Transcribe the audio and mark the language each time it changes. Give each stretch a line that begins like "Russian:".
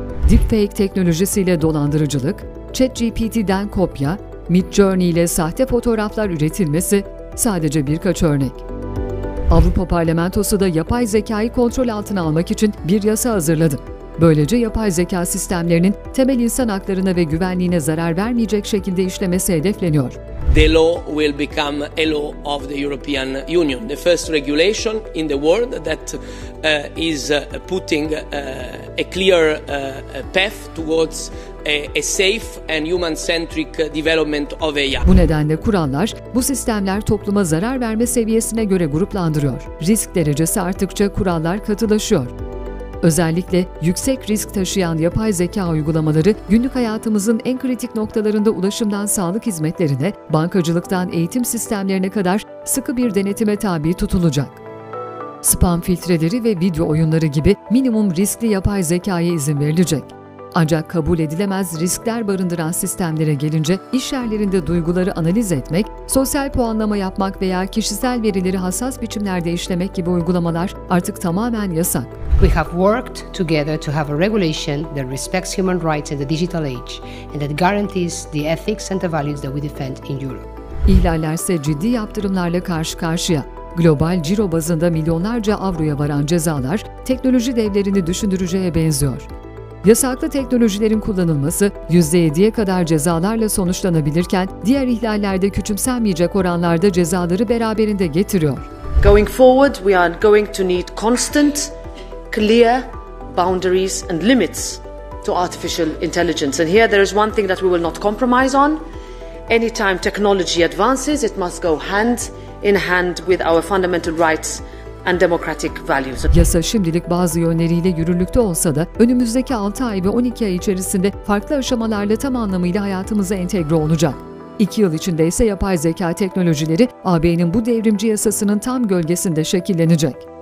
Turkish: Deepfake teknolojisiyle dolandırıcılık, ChatGPT'den kopya, Midjourney ile sahte fotoğraflar üretilmesi sadece birkaç örnek. Avrupa Parlamentosu da yapay zekayı kontrol altına almak için bir yasa hazırladı. Böylece yapay zeka sistemlerinin temel insan haklarına ve güvenliğine zarar vermeyecek şekilde işlemesi hedefleniyor.
English: The law will become a law of the European Union, the first regulation in the world that is putting a clear path towards a safe and human-centric development of AI.
Turkish: Bu nedenle kuranlar, bu sistemler topluma zarar verme seviyesine göre gruplandırıyor. Risk derecesi arttıkça kurallar katılaşıyor. Özellikle yüksek risk taşıyan yapay zeka uygulamaları günlük hayatımızın en kritik noktalarında ulaşımdan sağlık hizmetlerine, bankacılıktan eğitim sistemlerine kadar sıkı bir denetime tabi tutulacak. Spam filtreleri ve video oyunları gibi minimum riskli yapay zekaya izin verilecek. Ancak kabul edilemez riskler barındıran sistemlere gelince iş yerlerinde duyguları analiz etmek, sosyal puanlama yapmak veya kişisel verileri hassas biçimlerde işlemek gibi uygulamalar artık tamamen yasak.
English: We have worked together to have a regulation that respects human rights in the digital age and that guarantees the ethics and the values that we defend in Europe.
Turkish: İhlallerse ciddi yaptırımlarla karşı karşıya. Global ciro bazında milyonlarca avroya varan cezalar teknoloji devlerini düşündüreceğe benziyor. Yasaklı teknolojilerin kullanılması %7'ye kadar cezalarla sonuçlanabilirken diğer ihlallerde küçümsenmeyecek oranlarda cezaları beraberinde getiriyor.
English: Going forward we are going to need constant, clear boundaries and limits to artificial intelligence. And here there is one thing that we will not compromise on. Anytime technology advances, it must go hand in hand with our fundamental rights. And democratic values.
Turkish: Yasa şimdilik bazı yönleriyle yürürlükte olsa da önümüzdeki 6 ay ve 12 ay içerisinde farklı aşamalarla tam anlamıyla hayatımıza entegre olacak. 2 yıl içinde ise yapay zeka teknolojileri AB'nin bu devrimci yasasının tam gölgesinde şekillenecek.